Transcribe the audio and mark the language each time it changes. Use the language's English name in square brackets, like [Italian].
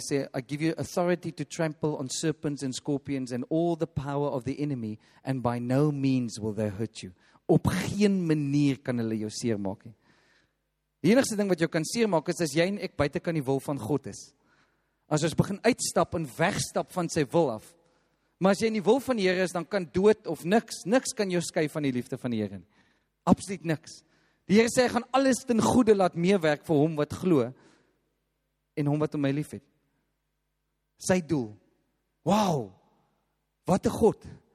[English] Hy sê, "I give you authority to trample on serpents and scorpions and all the power of the enemy and by no means will they hurt you." [Afrikaans] Op geen manier kan hulle jou seermaak nie. Die enigste ding wat jou kan seermaak is as jy en ek buite kan die wil van God is. As ons begin uitstap en wegstap van sy wil af. Maar as jy in die wil van die Here is, dan kan dood of niks kan jou skei van die liefde van die Here nie. Absoluut niks. Die Here sê, "Hy gaan alles ten goede laat meewerk vir hom wat glo en hom wat om my lief het." Sy doel. Wow! Wat 'n God!